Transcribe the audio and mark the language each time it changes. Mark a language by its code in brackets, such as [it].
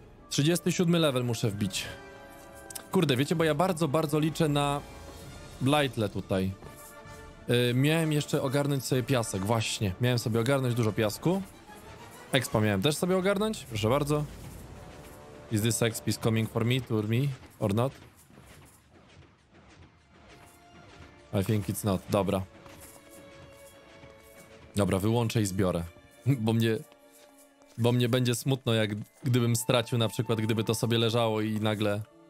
[pl] 37 level muszę wbić. Kurde, wiecie, bo ja bardzo, bardzo liczę na Blightle tutaj. Miałem jeszcze ogarnąć sobie piasek, właśnie. Miałem sobie ogarnąć dużo piasku. Expa miałem też sobie ogarnąć, proszę bardzo. [en] Is this XP is coming for me, to me, or not? I think it's not. [pl] Dobra. Dobra, wyłączę i zbiorę. Bo mnie będzie smutno, jak gdybym stracił na przykład, gdyby to sobie leżało i nagle...